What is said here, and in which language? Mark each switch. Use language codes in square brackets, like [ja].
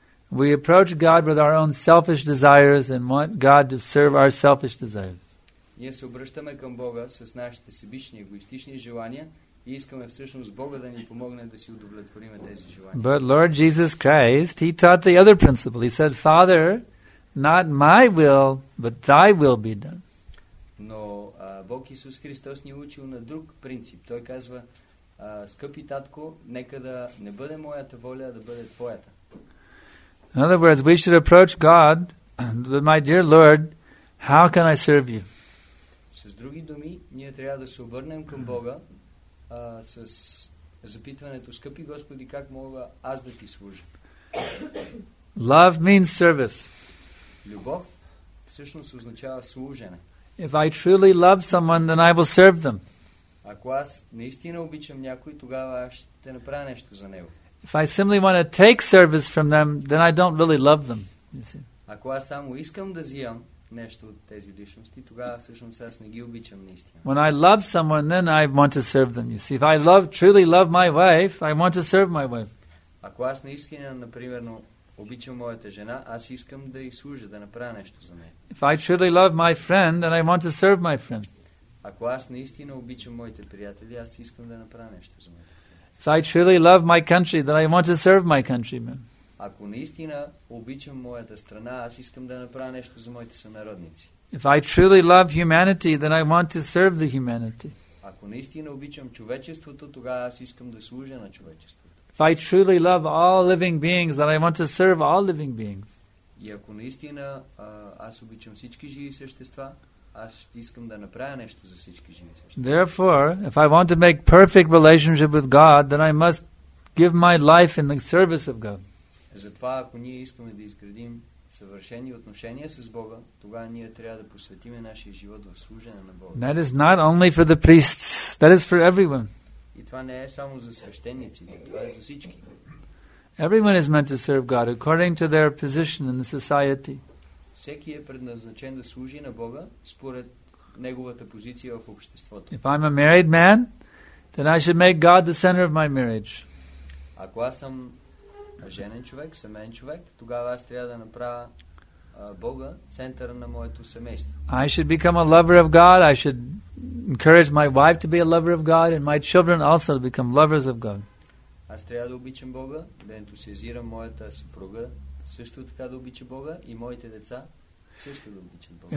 [en] We approach God with our own selfish desires and want God to serve our selfish desires. [bg] Ние се обръщаме към Бога с нашите себични, егоистични желания и искаме всъщност Бога да ни помогне да си удовлетворим тези желания. [en] But Lord Jesus Christ, He taught the other principle. He said, Father, not my will, but Thy will be done. [bg] Но Бог Исус Христос ни е учил на друг принцип. Той казва, скъпи татко, нека да не бъде моята воля, а да бъде твоята. [en] In other words, we should approach God, but my dear Lord, how can I serve you? [bg] С други думи, ние трябва да се обърнем към Бога с запитването, скъпи Господи, как мога аз да ти служа? [en] Love means service. [bg] Любов всъщност означава служене. [en] If I truly love someone, then I will serve them. [bg] Ако аз наистина обичам някой, тогава аз ще направя нещо за него. [en] If I simply want to take service from them, then I don't really love them. You see. [bg] Ако аз само искам да взимам нещо от тези личности, тогава всъщност аз не ги обичам наистина. [en] When I love someone, then I want to serve them. You see, if I love, truly love my wife, I want to serve my wife. [bg] Ако аз наистина, например, обичам моята жена, аз искам да й служа, да направя нещо за нея. [en] If I truly love my friend, then I want to serve my friend. [bg] Ако аз наистина обичам моите приятели, аз искам да направя нещо за мен. [en] If I truly love my country, then I want to serve my countrymen. [bg] Ако наистина обичам моята страна, аз искам да направя нещо за моите сънародници. [en] If I truly love humanity, then I want to serve the humanity. [bg] Ако наистина обичам човечеството, тогава аз искам да служа на човечеството. [en] If I truly love all living beings, then I want to serve all living beings. [bg] И ако наистина аз обичам всички живи същества, аз искам да направя нещо за всички живи същества. [en] Therefore, if I want to make perfect relationship with God, then I must give my life in the service of God. [bg] Затова, ако ние искаме да изградим съвършени отношения с Бога, тогава ние трябва да посветим нашия живот в служене на Бога. [en] That is not only for the priests. That is for everyone. [bg] И това не е само за свещениците, това е за всички. [en] Everyone is meant to serve God according to their position in the society. [bg] Всеки е предназначен да служи на Бога според неговата позиция в обществото. [en] If I'm a married man, then I should make God the center of my marriage. [bg] Ако аз съм женен човек, семейен човек, тогава аз трябва да направя Бога центъра на моето семейство. [en] I should become a lover of God. I should encourage my wife to be a lover of God and my children also to become lovers of God. [bg] Аз трябва да обичам Бога, да ентусиазирам моята съпруга, също така да обича Бога и моите деца също да обичат Бога.